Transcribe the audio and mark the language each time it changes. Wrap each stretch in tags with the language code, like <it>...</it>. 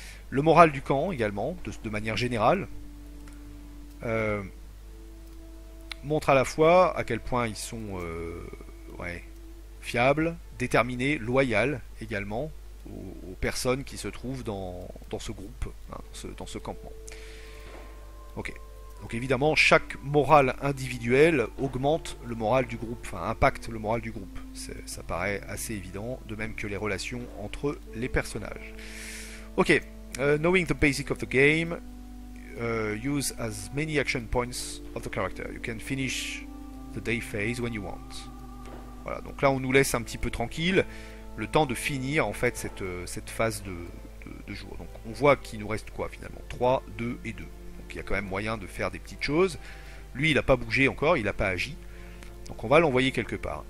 <fr>Le moral du camp également, de manière générale, montre à la fois à quel point ils sont fiables, déterminés, loyaux également aux personnes qui se trouvent dans ce groupe, hein, dans ce campement. Ok. Donc évidemment, chaque morale individuelle augmente le moral du groupe, enfin impacte le moral du groupe. Ça paraît assez évident, de même que les relations entre les personnages.</fr> <en>Ok, knowing the basic of the game, use as many action points of the character. You can finish the day phase when you want.</en> <fr>Voilà, donc là on nous laisse un petit peu tranquille, le temps de finir en fait cette phase de jour. Donc on voit qu'il nous reste quoi finalement? 3, 2 et 2. Il y a quand même moyen de faire des petites choses. Lui, il n'a pas bougé encore, il n'a pas agi. Donc on va l'envoyer quelque part.</fr>